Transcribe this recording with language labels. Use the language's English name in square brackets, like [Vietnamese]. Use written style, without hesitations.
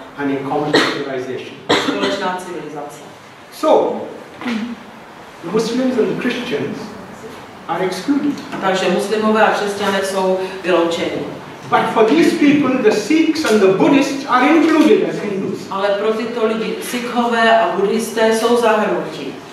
[English] and a common civilization, [Czech] společná civilizace. [English] So the Muslims and the Christians are excluded. [Czech] Takže muslimové a křesťané jsou vyloučeni. [English] But for these people, the Sikhs and the Buddhists are included as Hindus. [Czech] Ale pro tyto lidi Sikhové a Buddhisté jsou zahrnuti.